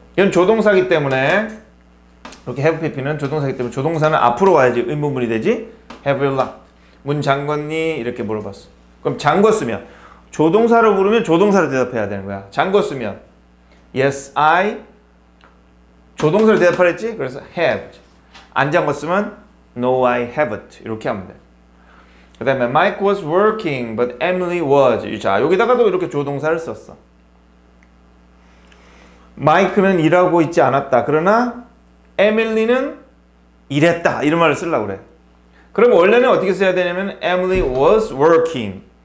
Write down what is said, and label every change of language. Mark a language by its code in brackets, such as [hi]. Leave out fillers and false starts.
[ko] 이건 조동사기 때문에, 이렇게 have pp는 조동사기 때문에 조동사는 앞으로 와야지 의문문이 되지. [en] Have you locked? [ko] 문 잠궜니? 이렇게 물어봤어. 그럼 잠궜으면, 조동사로 부르면 조동사로 대답해야 되는 거야. 잠궜으면 [en] Yes, I [ko] 조동사로 대답하랬지? 그래서 have. 안 잠궜으면 [en] No, I haven't. [ko] 이렇게 하면 돼. 그 다음에 [en] Mike was working, but Emily was. [ko] 자, 여기다가도 이렇게 조동사를 썼어. 마이크는 일하고 있지 않았다. 그러나 에밀리는 일했다. 이런 말을 쓰려고 그래. 그럼 원래는 어떻게 써야 되냐면 [en] Emily was working.